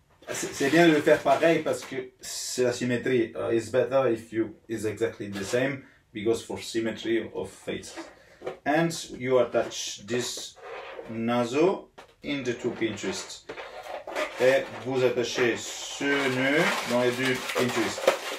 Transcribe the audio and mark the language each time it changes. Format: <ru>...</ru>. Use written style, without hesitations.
<fr>C'est bien de le faire pareil parce que c'est la symétrie.</fr> <en>It's better if you is exactly the same because for symmetry of face. And you attach this nozzle in the two pin twists.</en> <fr>Et vous attachez ce nœud dans les deux pin twists.</fr>